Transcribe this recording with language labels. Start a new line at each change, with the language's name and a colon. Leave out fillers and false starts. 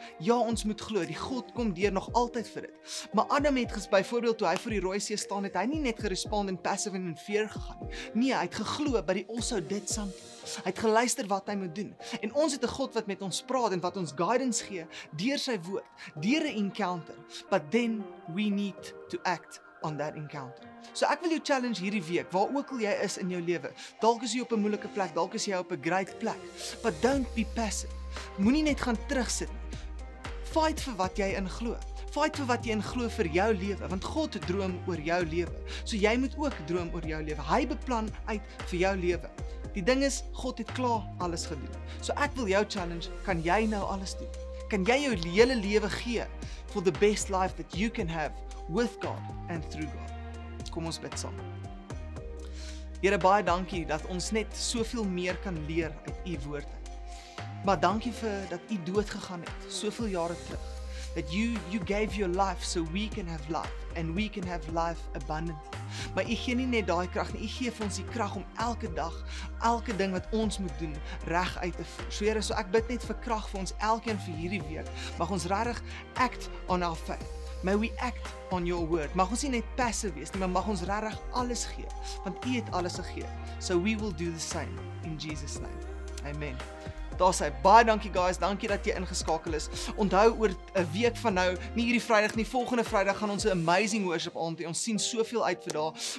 Afrikaans: Ja, ons moet glo, die God kom deur nog altyd vir dit. Maar Adam het byvoorbeeld toe hy voor die rooi see staan, het hy nie net gerespond in passive en in fear gegaan. Nee, hy het geglo by die
English: also did something.
Afrikaans: Hy het geluister wat hy moet doen. En ons het 'n God wat met ons praat en wat ons guidance gee deur sy woord, deur 'n encounter.
English: But then we need to act on that encounter.
Afrikaans: So ek wil jou challenge hierdie week, waar ook al jy is in jou lewe. Dalk is jy op 'n moeilike plek, dalk is jy op 'n great plek.
English: But don't be passive.
Afrikaans: Moenie net gaan terugsit nie. Fight vir wat jy in glo. Fight vir wat jy in glo vir jou lewe, want God droom oor jou lewe. So jy moet ook droom oor jou lewe. Hy beplan uit vir jou lewe. Die ding is, God het klaar alles gedoen. So ek wil jou challenge, kan jy nou alles doen? Kan jy jou hele lewe gee
English: for the best life that you can have with God and through God?
Afrikaans: Kom ons bid saam. Here, baie dankie dat ons net soveel meer kan leer uit u woord. Maar dankie vir dat u dood gegaan het, soveel jare terug.
English: That you gave your life so we can have life and we can have life abundantly.
Afrikaans: Maar u gee nie net daai krag nie, u gee vir ons die krag om elke dag, elke ding wat ons moet doen, reg uit te voer. So Here, so ek bid net vir krag vir ons elkeen vir hierdie week. Mag ons regtig
English: act on our faith. May we act on your word.
Afrikaans: Mag ons nie net passive wees nie, maar mag ons regtig alles gee, want u het alles gegee.
English: So we will do the same in Jesus name.
Afrikaans: Amen. Daarsy, baie dankie guys, dankie dat jy ingeskakel is. Onthou oor 'n week van nou, nie hierdie Vrydag nie, volgende Vrydag gaan ons 'n amazing worship aand hê. Ons sien soveel uit vir daar.